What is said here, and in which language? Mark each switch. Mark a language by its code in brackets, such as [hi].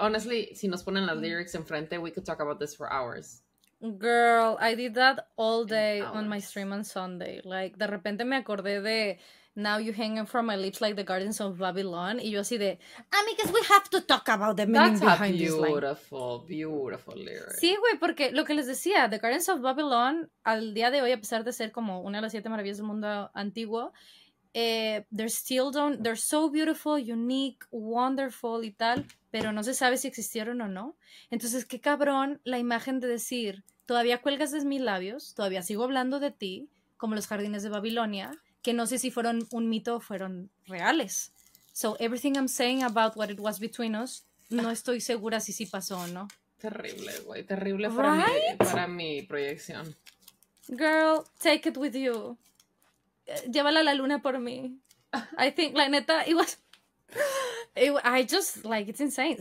[en] Honestly, [es] si nos ponen las lyrics enfrente, [en] we could talk about this for hours. Girl, I did that all day on my stream on Sunday. [es] Like, de repente me acordé de Now You Hanging From My Lips Like the Gardens of Babylon. Y yo así de, amigas, [en] we have to talk about the meaning behind this line. That's a beautiful, beautiful lyric. [es] Sí, güey, porque lo que les decía, The Gardens of Babylon, al día de hoy, a pesar de ser como una de las siete maravillas del mundo antiguo, [en] they're so beautiful, unique, wonderful [es] y tal, pero no se sabe si existieron o no. Entonces, qué cabrón la imagen de decir, todavía cuelgas de mis labios, todavía sigo hablando de ti, como los jardines de Babilonia, que no sé si fueron un mito o fueron reales. [en] So, everything I'm saying about what it was between us, [es] no estoy segura si sí pasó o no. Terrible, güey, terrible, [en] right? [es] Para mi proyección. [en] Girl, take it with you. [es] Llévala a la luna por mí. [en] I think, [es] la neta, [en] I just, like, it's insane.